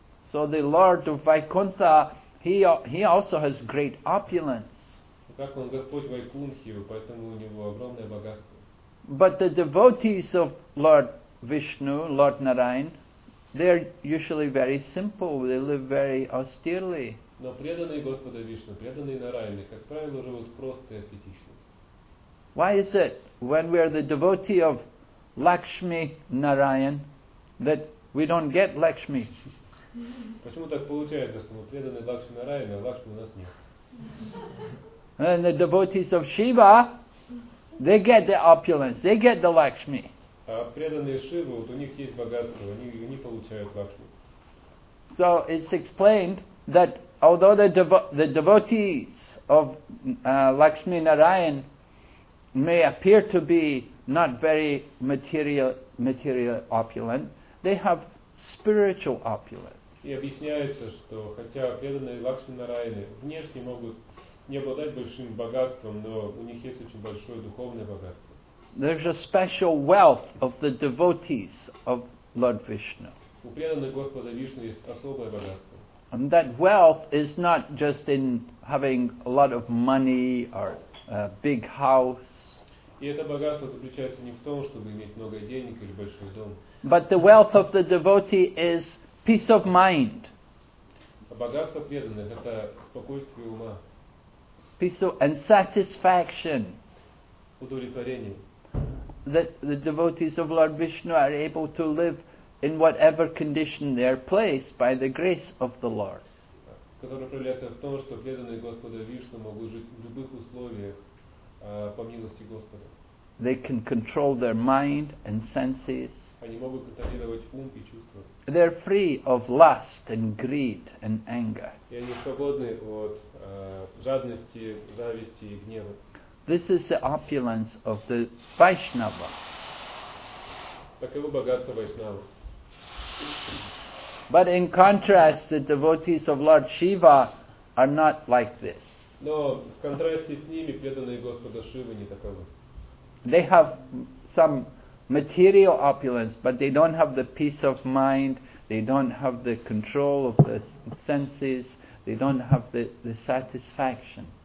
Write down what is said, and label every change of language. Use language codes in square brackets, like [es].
[en] So the Lord of Vaikuntha, he also has great opulence. But the devotees of Lord Vishnu, Lord Narayan, they are usually very simple, they live very austerely. [ru] Но преданные Господа Вишну, преданные Нараяны, как правило, живут просто и аскетично. [en] Why is it when we are the devotee of Lakshmi Narayan that we don't get Lakshmi? [ru] Почему так получается, что мы преданные Лакшми Нараяны, а Лакшми у нас нет? [en] And the devotees of Shiva, they get the opulence, they get the Lakshmi. [ru] А преданные Шивы, вот у них есть богатство, они получают Лакшми. [en] So it's explained that although the devotees of Lakshmi Narayan may appear to be not very material opulent, they have spiritual opulence. [ru] И объясняется, что хотя преданные Лакшми Нараяны внешне могут не обладать большим богатством, но у них есть очень большое духовное богатство. [en] There's a special wealth of the devotees of Lord Vishnu. [ru] У преданных Господа Вишну есть особое богатство. [en] And that wealth is not just in having a lot of money or a big house. [ru] И это богатство заключается не в том, чтобы иметь много денег или большой дом. [en] But the wealth of the devotee is peace of mind. [ru] Богатство преданных — это спокойствие ума. [en] Peace and satisfaction. [ru] Удовлетворение. [en] That the devotees of Lord Vishnu are able to live in whatever condition they are placed by the grace of the Lord. [ru] Которое проявляется в том, что преданные Господа Вишну могут жить в любых условиях по милости Господа. [en] They can control their mind and senses. [ru] Они могут контролировать ум и чувства. [en] They are free of lust and greed and anger. [ru] И они свободны от жадности, зависти и гнева. [en] This is the opulence of the Vaishnava. [ru] Таково богатство Вайшнава. [en] But in contrast, the devotees of Lord Shiva are not like this. [ru] Но в контрасте с ними преданные Господа Шивы не таковы. [en] They have some material opulence, but they don't have the peace of mind, they don't have the control of the senses, they don't have the satisfaction.